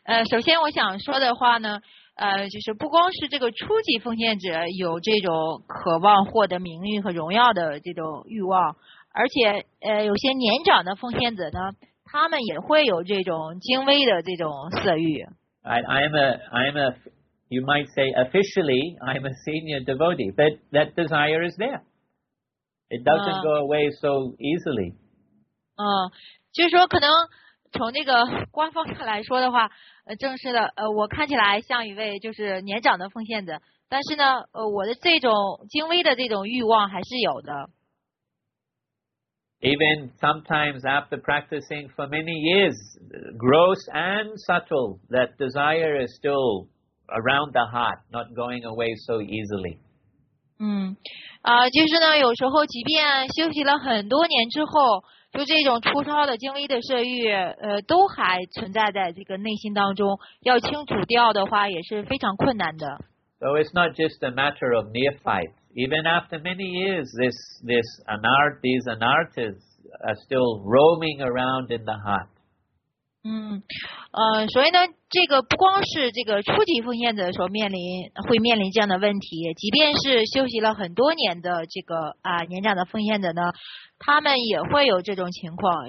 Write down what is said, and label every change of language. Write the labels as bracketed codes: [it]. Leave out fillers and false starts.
[zh] 首先我想说的话呢，就是不光是这个初级奉献者有这种渴望获得名誉和荣耀的这种欲望，而且有些年长的奉献者呢，他们也会有这种精微的这种色欲。 [en] I'm a, you might say officially, I'm a senior devotee, but that desire is there. It doesn't go away so easily. [zh] 就是说可能从这个官方上来说的话，正式的，我看起来像一位就是年长的奉献者，但是呢，我的这种精微的这种欲望还是有的。 [en] Even sometimes after practicing for many years, gross and subtle, that desire is still around the heart, not going away so easily. [zh] 就是呢，有时候即便休息了很多年之后，就这种粗糙的精微的色欲，都还存在在这个内心当中，要清除掉的话也是非常困难的。 [en] So it's not just a matter of neophytes. Even after many years, these anarthas are still roaming around in the heart. [zh] 所以呢，这个不光是这个初级奉献者所会面临这样的问题，即便是休息了很多年的这个年长的奉献者呢，他们也会有这种情况。